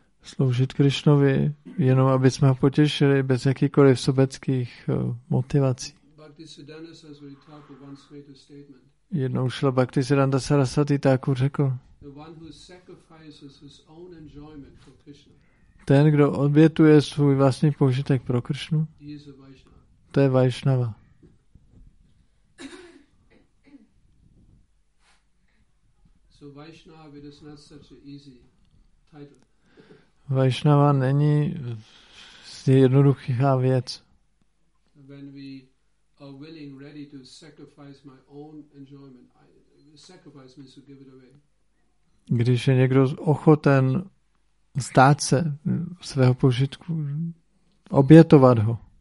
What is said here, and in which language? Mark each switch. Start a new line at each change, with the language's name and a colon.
Czech: Sloužit Krishnovi, jenom aby jsme ho potěšili, bez jakýchkoliv sobeckých motivací.
English: Bhaktisiddhanta Saraswati Thakur once made a statement.
Czech: Jednou šla Bhaktisiddhanta Saraswati Thakur řekl.
English: The one who sacrifices his own enjoyment for Krishna.
Czech: Ten, kdo obětuje svůj vlastní požitek pro Krishnu, to je Vaishnava.
English: So Vaishnava, it is not such an easy title.
Czech: Vaishnava není jednoduchá věc.
English: When we are willing, ready to sacrifice my own enjoyment, sacrifice means to give it away.
Czech: Když je někdo ochoten zdát se svého požitku, obětovat ho.